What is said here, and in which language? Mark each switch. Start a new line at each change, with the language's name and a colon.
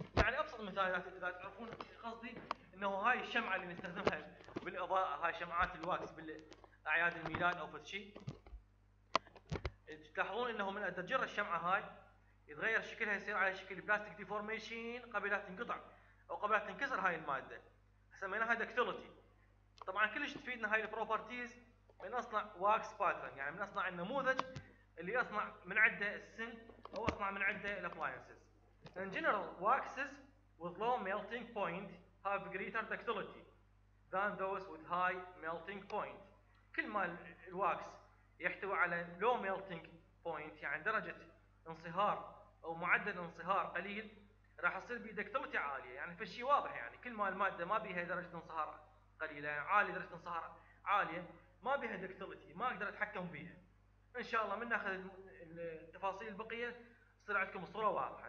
Arabic: يعني ابسط مثال اذا تعرفون قصدي، انه هاي الشمعه اللي نستخدمها بالاضاءه، هاي شمعات الواكس بالاعياد الميلاد او فد شيء، تلاحظون انه من تجر الشمعه هاي يتغير شكلها، يصير على شكل بلاستيك ديفورميشن قبل لا تنقطع او قبل لا تنكسر هاي الماده، سميناها دكتلتي. طبعا كلش تفيدنا هاي البروبرتيز من اصنع واكس باترن، يعني من اصنع النموذج اللي اصنع من عنده السن او اصنع من عنده الابلاينسز.
English: In general waxes with low melting point have greater ductility than those with high melting point.
Arabic: كل ما الواكس يحتوي على
English: low melting point
Arabic: يعني درجة انصهار أو معدل انصهار قليل راح يصير بيه ductility عالية، يعني في الشيء واضح، يعني كل ما المادة ما بيها درجة انصهار قليلة، يعني عالي درجة انصهار عالية ما بيها دكتلتي ما أقدر أتحكم بيها. إن شاء الله من ناخذ التفاصيل البقية صير عندكم صورة واضحة.